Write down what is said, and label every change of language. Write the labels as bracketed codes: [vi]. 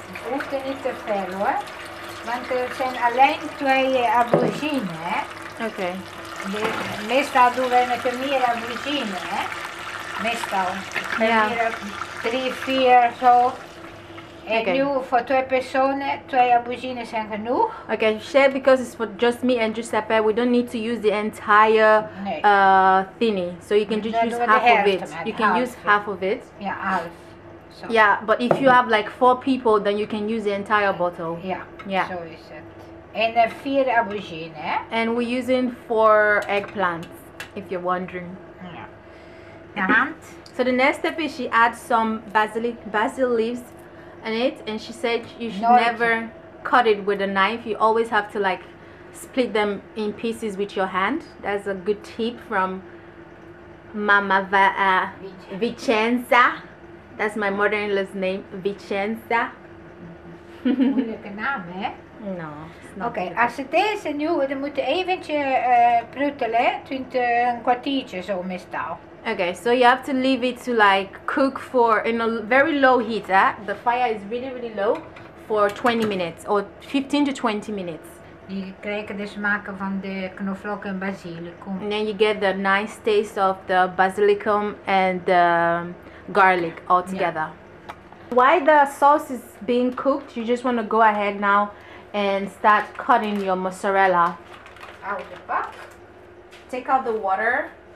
[nl] Ruft er niet te ver hoor, want er zijn alleen 2 aubergine. Oké. Okay. Meestal doen we met meer aubergine, hè? Meestal. Ja. 3, 4 zo. En okay. Nu voor 2 personen, 2 aubergine zijn genoeg. [en] Okay, share because it's for just me and Giuseppe. We don't need to use the entire thingy. So you can just use half of it. You can use half of it. Yeah, half. So. Yeah, but if you have like 4 people, then you can use the entire bottle. Yeah, yeah. So is it. And 4 aubergine. And we're using 4 eggplants, if you're wondering. Yeah. And? So the next step is she adds some basil leaves in it. And she said you should never cut it with a knife. You always have to like split them in pieces with your hand. That's a good tip from Mama Vicenza. That's my mother-in-law's name, Vicenza. [nl] Moeilijke naam, hè? [en] No. [nl] Oké, als het deze nu, dan moet je eventje pruttelen, 20 kwartiertje zo meestal. [en] Oké, so you have to leave it to like cook for in a very low heat, hè? The fire is really, really low for 20 minutes or 15 to 20 minutes. [nl] Die krijgen de smaken van de knoflook en basilicum. [en] And then you get the nice taste of the basilicum and the garlic all together. Yeah. While the sauce is being cooked, you just want to go ahead now and start cutting your mozzarella. Out the pot. Take out the water.